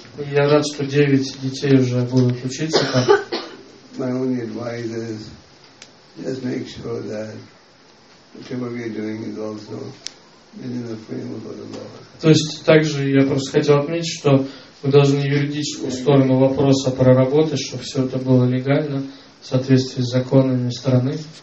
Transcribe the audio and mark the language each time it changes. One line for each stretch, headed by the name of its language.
Russian: Я рад, что 9 детей уже будут учиться там.
English: My only advice is just make sure that whatever we are doing is also within the framework of the law.
Russian: То есть также я просто хотел отметить, что вы должны юридическую сторону вопроса проработать, чтобы все это было легально, в соответствии с законами страны.